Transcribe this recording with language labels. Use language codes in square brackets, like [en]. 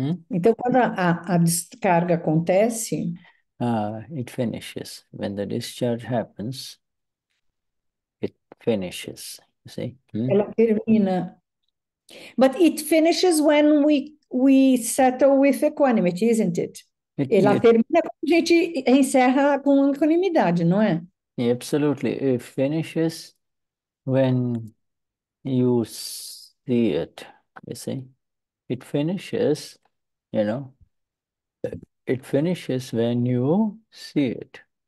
[pt] Então, quando a descarga acontece, [en] it finishes. When the discharge happens, it finishes. You see? [pt] Ela termina. [en] But it finishes when we settle with equanimity, isn't it? [pt] Ela termina quando a gente encerra com equanimidade, não é? [en] Absolutely. It finishes when you see it, you see? It finishes, you know, it finishes when you see it.